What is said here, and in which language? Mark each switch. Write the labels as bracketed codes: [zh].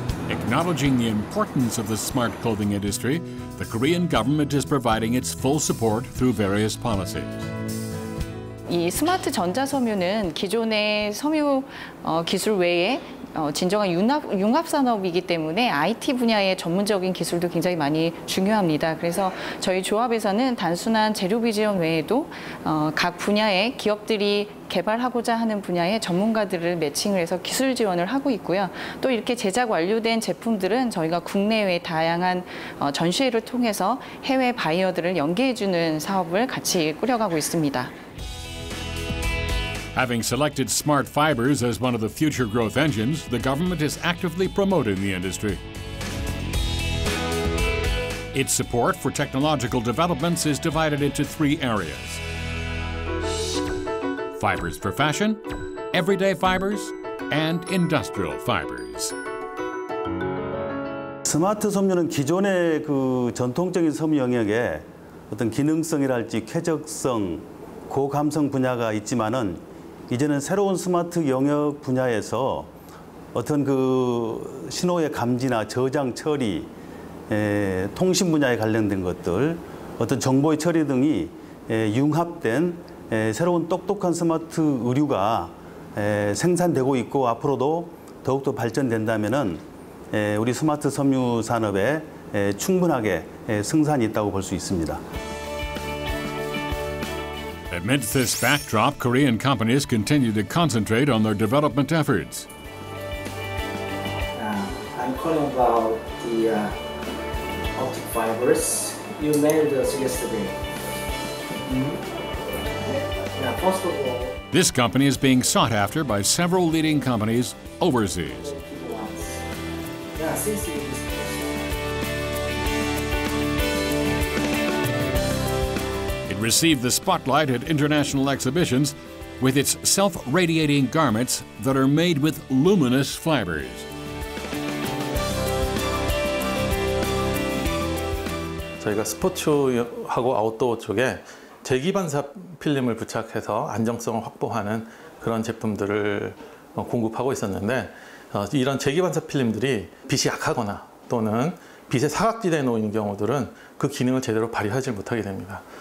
[en] Acknowledging the importance of the smart clothing industry, the Korean government is providing its full support through various policies. [ko] 이 스마트 전자 섬유는 기존의 섬유 기술 외에 진정한 융합 산업이기 때문에 IT 분야의 전문적인 기술도 굉장히 많이 중요합니다. 그래서 저희 조합에서는 단순한 재료 비즈니스 외에도 각 분야의 기업들이 개발하고자 하는 분야의 전문가들을 매칭을 해서 기술 지원을 하고 있고요. 또 이렇게 제작 완료된 제품들은 저희가 국내외 다양한 전시회를 통해서 해외 바이어들을 연계해주는 사업을 같이 꾸려가고 있습니다. [en] Having selected smart fibers as one of the future growth engines, the government is actively promoting the industry. Its support for technological developments is divided into three areas. Fibers for fashion, everyday fibers, and industrial fibers. [ko] 스마트 섬유는 기존의 그 전통적인 섬유 영역에 어떤 기능성이랄지 쾌적성, 고감성 분야가 있지만은 이제는 새로운 스마트 영역 분야에서 어떤 그 신호의 감지나 저장 처리, 통신 분야에 관련된 것들, 어떤 정보의 처리 등이 융합된 새로운 똑똑한 스마트 의류가 생산되고 있고 앞으로도 더욱더 발전된다면은 우리 스마트 섬유 산업에 충분하게 승산이 있다고 볼 수 있습니다. [en] Amid this backdrop, Korean companies continue to concentrate on their development efforts. I'm calling about the optic fibers. You mailed us yesterday. Mm-hmm. Yeah, first of all, this company is being sought after by several leading companies overseas. Received the spotlight at international exhibitions with its self-radiating garments that are made with luminous fibers. [ko] 저희가 스포츠하고 아웃도어 쪽에 재기반사 필름을 부착해서 안정성을 확보하는 그런 제품들을 공급하고 있었는데 이런 재기반사 필름들이 빛이 약하거나 또는 빛의 사각지대에 놓인 경우들은 그 기능을 제대로 발휘하지 못하게 됩니다.